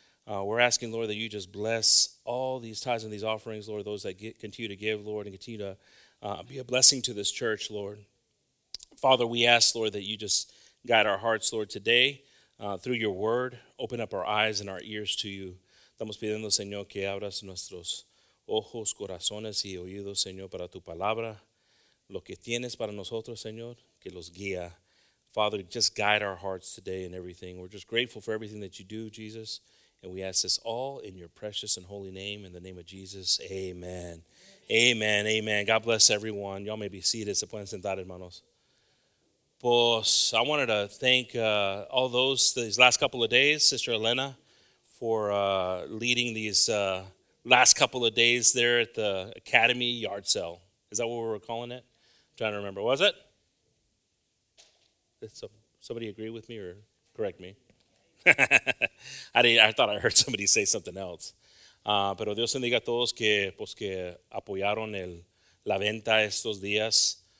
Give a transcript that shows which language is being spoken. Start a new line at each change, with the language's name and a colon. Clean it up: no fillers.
English: We're asking, Lord, that you just bless all these tithes and these offerings, Lord, those that continue to give, Lord, and continue to be a blessing to this church, Lord. Father, we ask, Lord, that you just guide our hearts, Lord, today through your word. Open up our eyes and our ears to you.
Spanish: Estamos pidiendo, Señor, que abras nuestros ojos, corazones y oídos, Señor, para tu palabra. Lo que tienes para nosotros, Señor, que los guía.
English: Father, just guide our hearts today in everything. We're just grateful for everything that you do, Jesus. And we ask this all in your precious and holy name, in the name of Jesus. Amen. Amen. Amen. Amen. God bless everyone. Y'all may be seated.
Spanish: Se pueden sentar, hermanos.
English: Pues, I wanted to thank all those these last couple of days, Sister Elena, for leading these last couple of days there at the Academy Yard Sale. Is that what we were calling it? I'm trying to remember. Was it? Did somebody agree with me or correct me? I thought I heard somebody say something else.
Spanish: Pero Dios bendiga a todos que, pues, que apoyaron la venta estos días.